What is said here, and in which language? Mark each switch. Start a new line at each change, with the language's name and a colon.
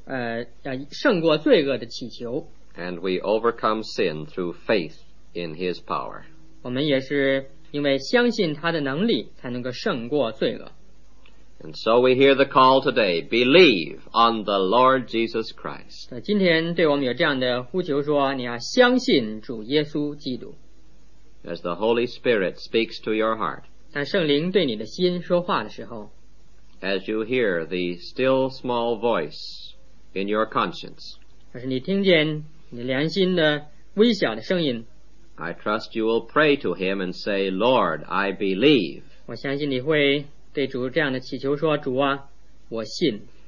Chinese: 但是耶稣基督他常是会垂听我们胜过罪恶的祈求。
English: And we overcome sin through faith in his power.
Chinese: 我们也是因为相信他的能力才能够胜过罪恶。
English: And so we hear the call today, believe on the Lord Jesus Christ.
Chinese: 今天对我们有这样的呼求说，你要相信主耶稣基督。
English: As the Holy Spirit speaks to your heart.
Chinese: 当圣灵对你的心说话的时候,
English: as you hear the still small voice in your conscience.
Chinese: 而是你听见你良心的微小的声音。
English: I trust you will pray to him and say, Lord, I believe.
Chinese: 我相信你会对主这样的祈求说，主啊，我信。